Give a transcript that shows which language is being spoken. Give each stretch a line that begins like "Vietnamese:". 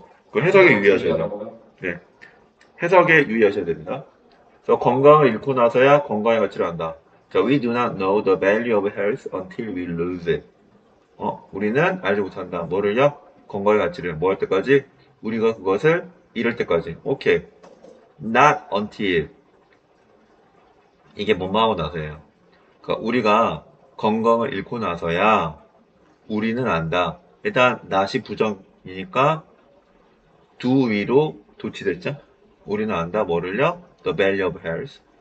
Korean: 그 해석에 유의하셔야 돼요. 네. 해석에 유의하셔야 됩니다. 그래서 건강을 잃고 나서야 건강의 가치를 안다.
English: 자, we do not know the value of health until we lose it.
Korean: 우리는 알지 못한다. 뭐를요? 건강의 가치를. 뭐할 때까지? 우리가 그것을 잃을 때까지.
English: 오케이. Not until.
Korean: 이게 뭐뭐하고 나서예요. 그러니까 우리가 건강을 잃고 나서야 우리는 안다. 일단 not이 부정이니까 do 위로 도치됐죠? 우리는 안다. 뭐를요?
English: The value of health.